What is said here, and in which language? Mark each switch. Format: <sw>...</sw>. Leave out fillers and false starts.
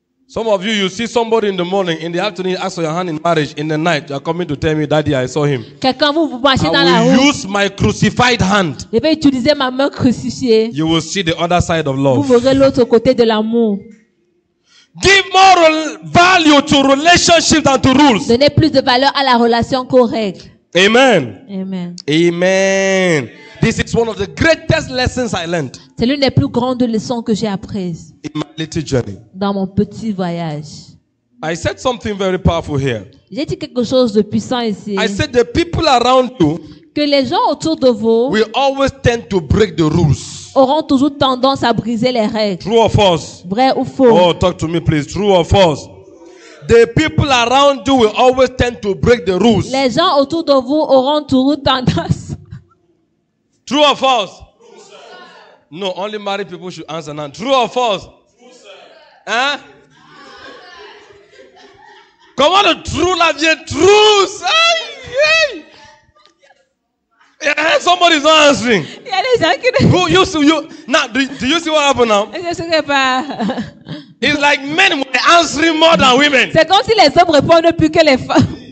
<en>Some of you, you see somebody in the morning, in the afternoon, you ask for your hand in marriage. In the night, you are coming to tell me, Daddy, I saw him.</en> <fr>Quelqu'un vous marchez</fr> <en>I</en> <fr>dans</fr> <en>will</en> <fr>la rue.</fr> <en>Use my crucified hand.</en> <fr>Je vais utiliser ma main crucifiée.</fr> <en>You will see the other side of love.</en> <fr>Vous verrez l'autre côté de l'amour.</fr> <en>Give more value to relationship than to rules.</en> <fr>Donnez plus de valeur à la relation qu'aux règles. Amen. Amen. Amen.</fr> <en>This is one of the greatest lessons I learned.</en> <fr>C'est l'une des plus grandes leçons que j'ai apprises.</fr> <en>In my little journey.</en> <fr>Dans mon petit voyage.</fr> <en>I said something very powerful here.</en> <fr>J'ai dit quelque chose de puissant ici.</fr> <en>I said the people around you.</en> <fr>Que les gens autour de vous.</fr> <en>We always tend to break the rules.</en> <fr>Auront toujours tendance à briser les règles.</fr> <en>True or false?</en> <fr>Vrai ou faux?</fr> <en>Oh, talk to me, please. True or false? The people around you will always tend to break the rules.</en> <fr>Les gens autour de vous auront toujours tendance.</fr> <en>True or false? True, no, only married people should answer now. True or false? True, sir. Hein?</en> <fr>Comment le true la vient?</fr> <en>True, sir. Yeah, somebody is not answering.</en> <fr>Il y a des gens qui ne.</fr> <en>Do you see what happened now?</en> <fr>Je ne sais pas.</fr> <en>It's like men were answering more than women.</en> <fr>C'est comme si les hommes répondent plus que les femmes.</fr>